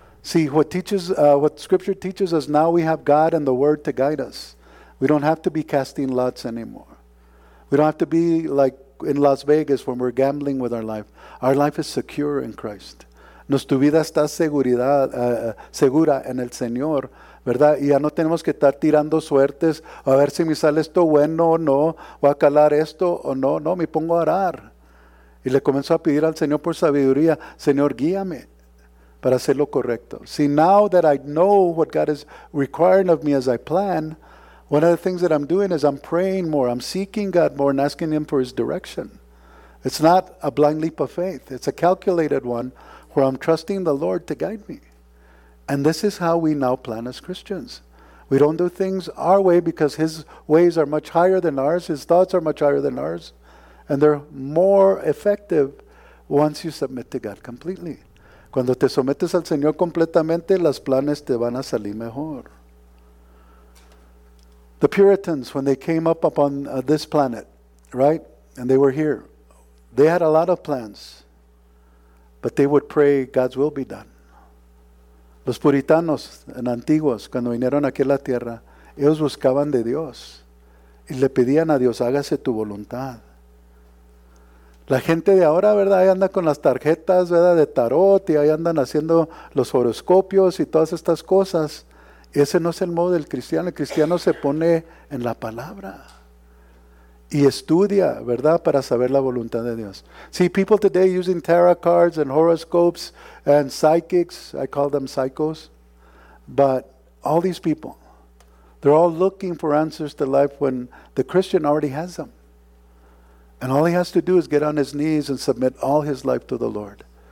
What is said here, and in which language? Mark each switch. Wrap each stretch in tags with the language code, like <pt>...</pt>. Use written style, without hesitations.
<en>See, what Scripture teaches us, now we have God and the Word to guide us. We don't have to be casting lots anymore. We don't have to be like in Las Vegas when we're gambling with our life. Our life is secure in Christ.</en> <es>Nuestra vida está segura en el Señor, ¿verdad? Y ya no tenemos que estar tirando suertes, a ver si me sale esto bueno o no, voy a calar esto o no, no, me pongo a orar. Y le comenzó a pedir al Señor por sabiduría, Señor, guíame para hacer lo correcto.</es> <en>See, now that I know what God is requiring of me as I plan, one of the things that I'm doing is I'm praying more, I'm seeking God more and asking Him for His direction. It's not a blind leap of faith, it's a calculated one where I'm trusting the Lord to guide me. And this is how we now plan as Christians. We don't do things our way because His ways are much higher than ours, His thoughts are much higher than ours. And they're more effective once you submit to God completely.</en> <es>Cuando te sometes al Señor completamente, los planes te van a salir mejor.</es> <en>The Puritans, when they came up upon this planet, right? And they were here. They had a lot of plans. But they would pray, God's will be done.</en> <es>Los puritanos en antiguos, cuando vinieron aquí a la tierra, ellos buscaban de Dios. Y le pedían a Dios, hágase tu voluntad. La gente de ahora, ¿verdad? Ahí anda con las tarjetas, ¿verdad? De tarot, y ahí andan haciendo los horoscopios y todas estas cosas. Ese no es el modo del cristiano. El cristiano se pone en la palabra y estudia, ¿verdad? Para saber la voluntad de Dios.</es> <en>See, people today using tarot cards and horoscopes and psychics, I call them psychos, but all these people, they're all looking for answers to life when the Christian already has them. And all he has to do is get on his knees and submit all his life to the Lord.</en>